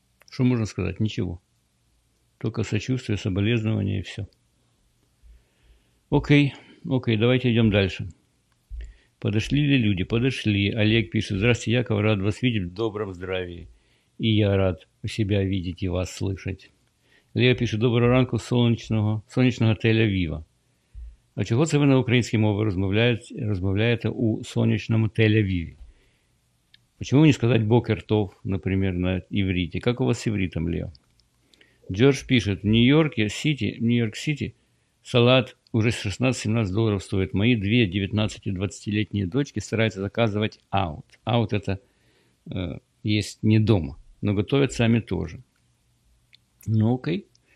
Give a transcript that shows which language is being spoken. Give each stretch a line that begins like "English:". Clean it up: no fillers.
Russian: Что можно сказать? Ничего. Только сочувствие, соболезнования и все. Окей, окей, давайте идем дальше. Подошли ли люди? Подошли. Олег пишет: «Здравствуйте, Яков, рад вас видеть в добром здравии. И я рад у себя видеть и вас слышать». Лео пишет:
Ukrainian: «Доброго ранку, сонячного Тель-Авіва. А чого це ви на українській мові розмовляєте у сонячному Тель-Авіві?
Russian: Почему не сказать «бокер тов», например, на иврите? Как у вас с ивритом, Лео?» Джордж пишет: «Нью-Йорк-Сити, салат уже 16-17 долларов стоит. Мои две 19- и 20-летние дочки стараются заказывать аут». Аут – это есть не дома, но готовят сами тоже. Ну, окей.